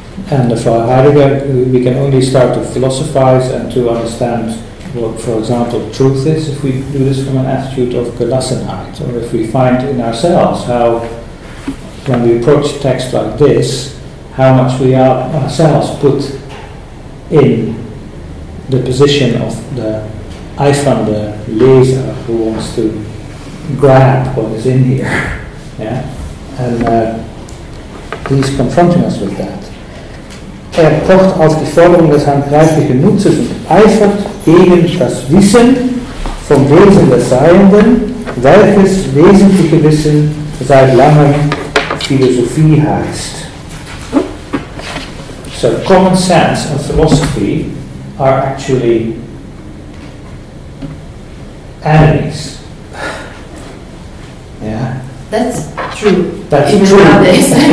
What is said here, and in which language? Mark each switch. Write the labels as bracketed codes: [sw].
[en] And for Heidegger, we can only start to philosophize and to understand what, for example, truth is if we do this from an attitude of Gelassenheit, or if we find in ourselves how, when we approach a text like this, how much we are ourselves put in the position of the Eifern, the leser, who wants to grab what is in here. Yeah, and he's confronting us with that. [de] Er pocht auf die Forderung des handgreiflichen Nutzens und eifert gegen das Wissen vom Wesen des Seienden, welches wesentliche Wissen seit langem Philosophie heißt. [en] So common sense and philosophy are actually enemies. Yeah. That's true. Nowadays.